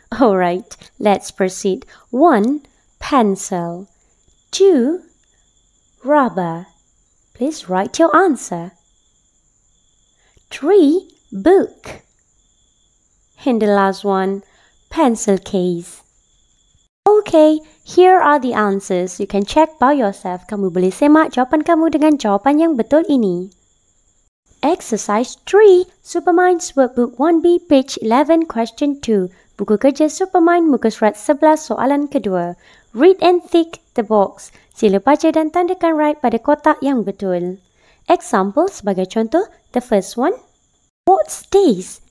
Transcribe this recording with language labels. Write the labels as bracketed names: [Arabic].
[English] Alright, let's proceed. 1. Pencil. 2. Rubber. Please write your answer. 3. Book. And the last one, pencil case. Okay, here are the answers. You can check by yourself. [Malay] Kamu boleh semak jawapan kamu dengan jawapan yang betul ini. [English] Exercise 3. SUPERMINDS workbook 1B, page 11, question 2. [Malay] Buku kerja SUPERMINDS muka surat 11, soalan kedua. [English] Read and tick the box. [Malay] Sila baca dan tandakan right pada kotak yang betul. [English] Example [Malay] sebagai contoh, [English] the first one. What's this?